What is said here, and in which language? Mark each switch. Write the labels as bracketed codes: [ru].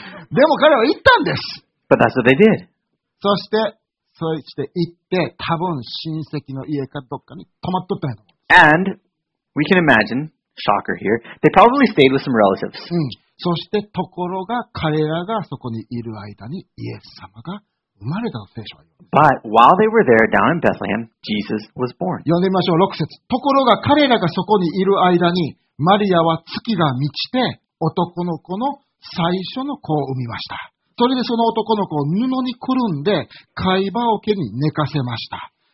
[ja] でも彼は行ったんです。 [en] But that's what they did. [ja] そして行って多分親戚の家かどっかに泊まっとったんや。 [en] And? We can imagine, shocker here, they probably stayed with some relatives.、 [ja] うん、そしてところが彼らがそこにいる間にイエス様が生まれたと聖書は言う。 [en] But while they were there down in Bethlehem, Jesus was born. [ja] 読んでみましょう、6節。ところが彼らがそこにいる間にマリアは月が満ちて男の子の最初の子を産みました。それでその男の子を布にくるんで貝羽桶に寝かせました。